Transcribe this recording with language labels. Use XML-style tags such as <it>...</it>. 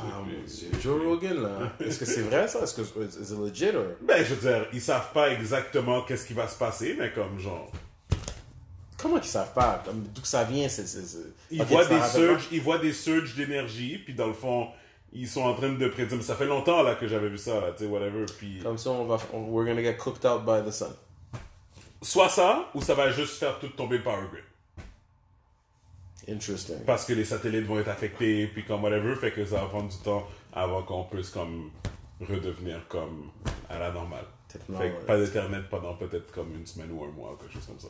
<fr>Ah mon Dieu, Joe Rogan là. Est-ce que c'est vrai ça? Est-ce que c'est legit ou? Ben je veux dire, ils savent pas exactement qu'est-ce qui va se passer mais comme genre. Comment ils savent pas? Comme d'où que ça vient? C'est... Ils voient des surges d'énergie puis dans le fond. Ils sont en train de prédire, mais ça fait longtemps là que j'avais vu ça, tu sais, whatever. Puis comme ça,</fr> <en>we're gonna get cooked out by the sun.</en> <fr>Soit ça, ou ça va juste faire tout tomber le power grid.</fr> <en>Interesting.</en> <fr>Parce que les satellites vont être affectés, puis comme whatever, fait que ça va prendre du temps avant qu'on puisse comme redevenir comme à la normale.</fr> <en>Technology.</en> <fr>Fait que pas d'internet pendant peut-être comme une semaine ou un mois, quelque chose comme ça.</fr>